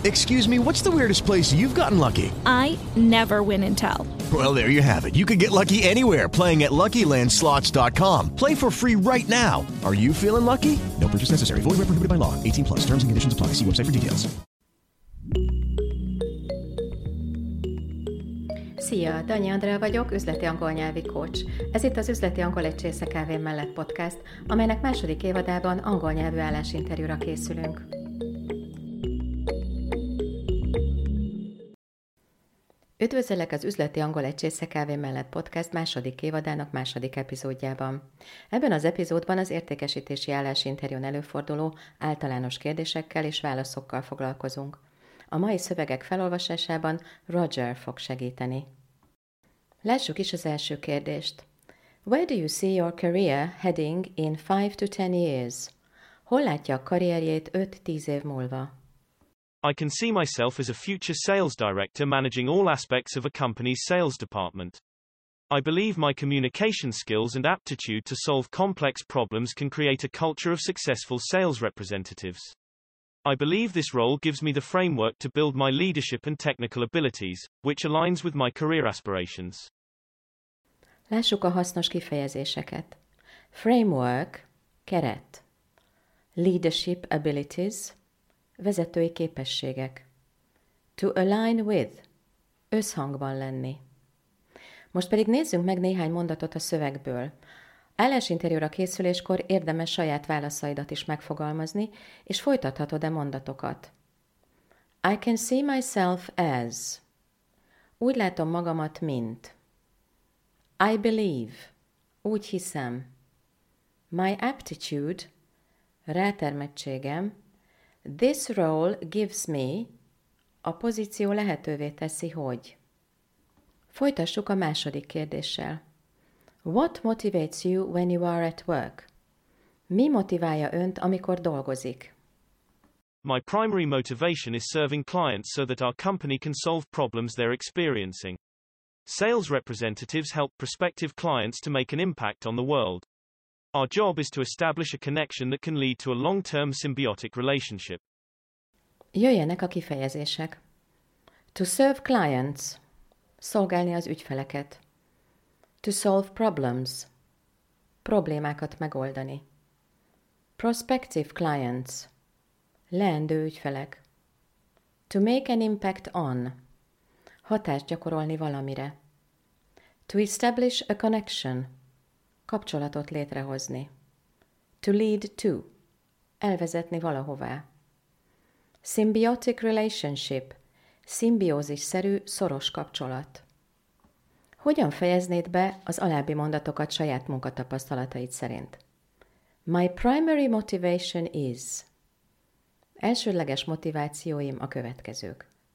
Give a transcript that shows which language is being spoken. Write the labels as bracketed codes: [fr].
[en] Excuse me, what's the weirdest place you've gotten lucky? I never win and tell. Well, there you have it. You can get lucky anywhere, playing at LuckyLandSlots.com. Play for free right now. Are you feeling lucky? No purchase necessary. Void where prohibited by law. 18 plus. Terms and conditions apply. See website for details. [hu] Szia, Dani Andrea vagyok, üzleti angol nyelvi coach. Ez itt az Üzleti Angol egy csésze kávé mellett podcast, amelynek második évadában angol nyelvű állásinterjúra készülünk. Üdvözöllek az Üzleti Angol egy csésze kávé mellett podcast második évadának második epizódjában. Ebben az epizódban az értékesítési állásinterjún előforduló általános kérdésekkel és válaszokkal foglalkozunk. A mai szövegek felolvasásában Roger fog segíteni. Lássuk is az első kérdést. [en] Where do you see your career heading in 5 to 10 years? [hu] Hol látja a karrierjét 5-10 év múlva? [en] I can see myself as a future sales director managing all aspects of a company's sales department. I believe my communication skills and aptitude to solve complex problems can create a culture of successful sales representatives. I believe this role gives me the framework to build my leadership and technical abilities, which aligns with my career aspirations. [hu] Lássuk a hasznos kifejezéseket. Framework, keret. [en] Leadership abilities, [hu] vezetői képességek. [en] To align with, [hu] összhangban lenni. Most pedig nézzünk meg néhány mondatot a szövegből. Állásinterjúra készüléskor érdemes saját válaszaidat is megfogalmazni, és folytathatod a mondatokat. [en] I can see myself as. [hu] Úgy látom magamat, mint. [en] I believe. [hu] Úgy hiszem. [en] My aptitude. [hu] Rátermettségem. [en] This role gives me. [hu] A pozíció lehetővé teszi, hogy. Folytassuk a második kérdéssel. [en] What motivates you when you are at work? [hu] Mi motiválja önt, amikor dolgozik? [en] My primary motivation is serving clients so that our company can solve problems they're experiencing. Sales representatives help prospective clients to make an impact on the world. Our job is to establish a connection that can lead to a long-term symbiotic relationship. [hu] Jöjjenek a kifejezések. [en] To serve clients. [hu] Szolgálni az ügyfeleket. [en] To solve problems. [hu] Problémákat megoldani. [en] Prospective clients. [hu] Leendő ügyfelek. [en] To make an impact on. [hu] Hatást gyakorolni valamire. [en] To establish a connection. [hu] Kapcsolatot létrehozni. [en] To lead to. [hu] Elvezetni valahová. [en] Symbiotic relationship. [hu] Szimbiózisszerű, szoros kapcsolat. Hogyan fejeznéd be az alábbi mondatokat saját munkatapasztalataid szerint? [en] My primary motivation is. [hu] Elsődleges motivációim a következők.